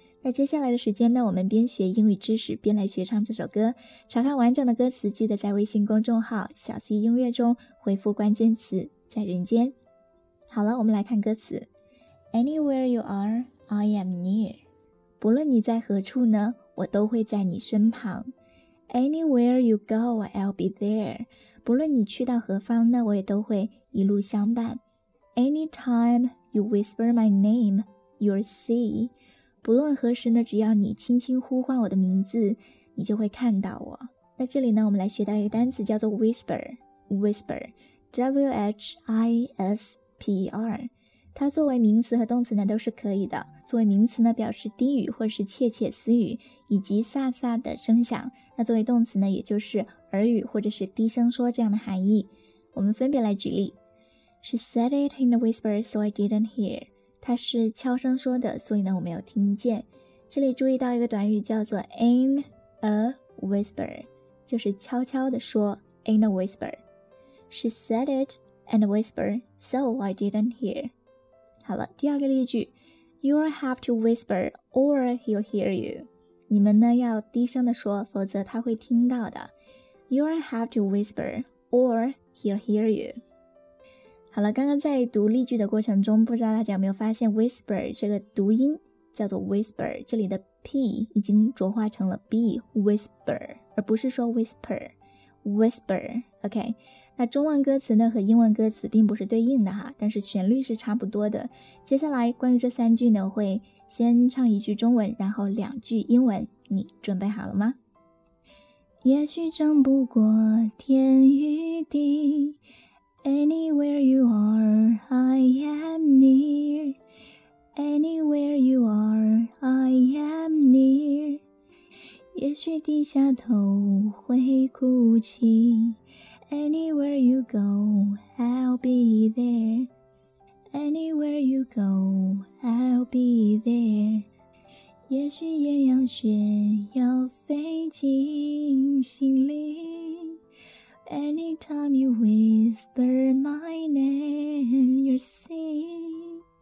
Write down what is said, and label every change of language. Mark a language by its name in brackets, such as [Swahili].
[Chinese] 那接下来的时间呢，我们边学英语知识边来学唱这首歌，查看完整的歌词记得在微信公众号小 C 音乐中回复关键词在人间。好了，我们来看歌词。 [English] Anywhere you are, I am near. [Chinese] 不论你在何处呢，我都会在你身旁。 [English] Anywhere you go, I'll be there. [Chinese] 不论你去到何方，那我也都会一路相伴。 [English] Anytime you whisper my name, you'll see. [Chinese] 不论何时呢，只要你轻轻呼唤我的名字，你就会看到我。那这里呢，我们来学到一个单词，叫做 whisper。 Whisper, W-H-I-S-P-E-R。它作为名词和动词呢都是可以的，作为名词呢表示低语或是窃窃私语以及飒飒的声响，那作为动词呢也就是耳语或者是低声说这样的含义。我们分别来举例， [English] She said it in a whisper so I didn't hear， [Chinese] 它是悄声说的，所以呢我没有听见。这里注意到一个短语叫做 in a whisper， 就是悄悄的说 in a whisper， [English] She said it in a whisper so I didn't hear。好了，第二个例句， You'll have to whisper or he'll hear you. [Chinese] 你们呢要低声地说，否则他会听到的。 [English] You'll have to whisper or he'll hear you. [Chinese] 好了，刚刚在读例句的过程中，不知道大家有没有发现 whisper 这个读音叫做 whisper， 这里的 P 已经浊化成了 B， whisper， 而不是说 whisper。 Whisper, OK, 那中文歌词呢和英文歌词并不是对应的哈，但是旋律是差不多的。接下来关于这三句呢，会先唱一句中文，然后两句英文，你准备好了吗？也许争不过天与地， [English] Anywhere you are, I am near. Anywhere you are, I am near. [Chinese] 也许低下头会哭泣 [English] Anywhere you go, I'll be there Anywhere you go, I'll be there [Chinese] 也许艳阳雪要飞进心里 [English] Anytime you whisper my name, you'll see